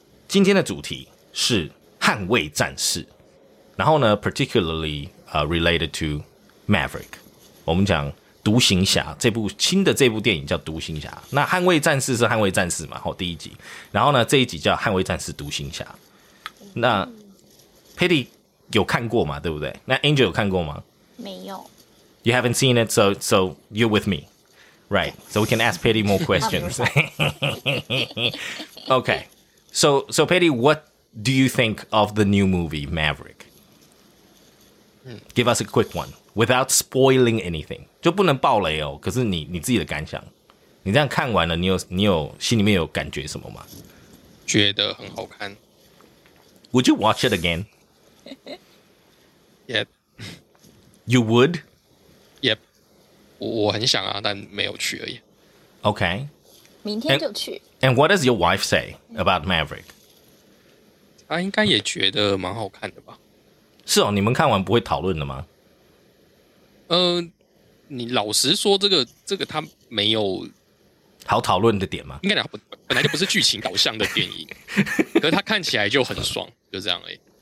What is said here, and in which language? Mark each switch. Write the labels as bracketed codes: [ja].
[zh] 今天的主题是捍卫战士，然后呢 particularly related to Maverick， 我们讲独行侠，这部新的这部电影叫独行侠，那捍卫战士是捍卫战士嘛，第一集，然后呢这一集叫捍卫战士独行侠。那 Patty 有看过吗？对不对？那 Angel 有看过吗？没有。 [en] You haven't seen it, so you're with me, right? So we can ask Patty more questions. Okay. So Patty, what do you think of the new movie Maverick? Give us a quick one without spoiling anything. [zh] 就不能爆雷哦。可是你自己的感想，你这样看完了，你有心里面有感觉什么吗？觉得很好看。 [en] Would you watch it again? Yeah. You would? [zh] Yep， 我很想啊，但没有去而已。 OK，明天就去。 [en] And what does your wife say about Maverick？ [zh] 她应该也觉得蛮好看的吧？是哦，你们看完不会讨论的吗？你老实说，这个它没有好讨论的点吗？应该讲本来就不是剧情导向的电影，可是它看起来就很爽，就这样而已。